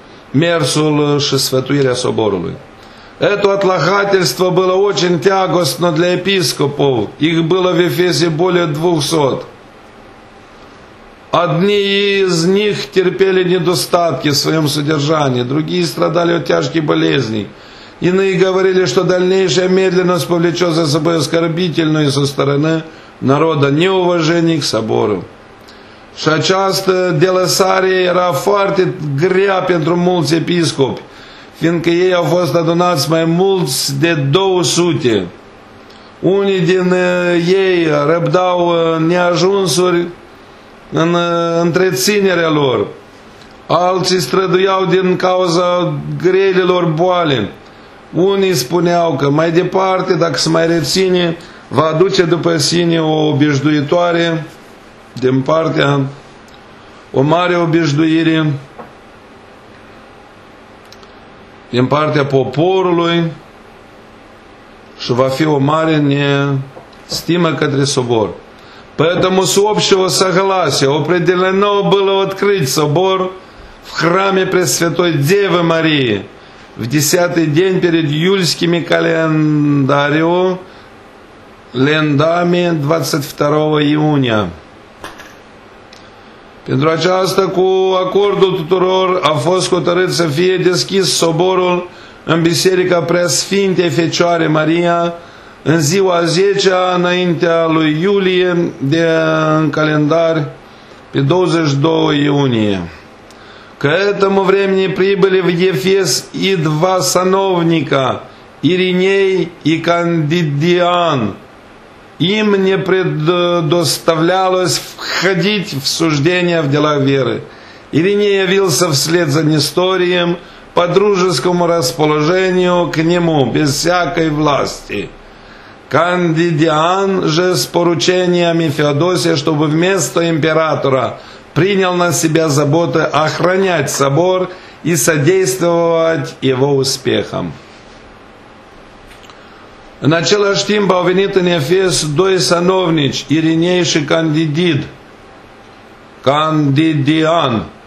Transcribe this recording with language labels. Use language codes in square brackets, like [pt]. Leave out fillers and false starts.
[ro] mersul și sfătuirea soborului. [ru] Это отлагательство было очень тягостно для епископов. Их было в Ефесе более 200. Одни из них терпели недостатки в своем содержании, другие страдали от тяжких болезней. Иные говорили, что дальнейшая медленность повлечет за собой оскорбительную со стороны народа неуважение к собору. [ro] Și această delăsare era foarte grea pentru mulți episcopi, fiindcă ei au fost adunați mai mulți de 200. Unii din ei răbdau neajunsuri în întreținerea lor, alții străduiau din cauza grelilor boale. Unii spuneau că mai departe, dacă se mai reține, va aduce după sine o obișnuitoare din partea o mare obișnuire din partea poporului și va fi o mare nestimă către sobor. [ru] Поэтому с общего согласия определено было открыть собор в храме Пресвятой Девы Марии в 10-й день перед юльскими календарями 22 июня. [ro] Pentru aceasta, cu acordul tuturor, a fost hotărât să fie deschis soborul în Biserica Preasfintei Fecioare Maria în ziua 10-a înaintea lui Iulie, de în calendar, pe 22 iunie. [ru] К этому времени прибыли в Ефес и два сановника, Ириней и Кандидиан. Им не предоставлялось входить в суждения в делах веры. Ириней явился вслед за Несторием по дружескому расположению к нему, без всякой власти. Кандидиан же с поручениями Феодосия, чтобы вместо императора принял на себя заботы охранять собор и содействовать его успехам. [ro] În același timp au venit în Efes doi sanovnici, Ireneu și Candidian.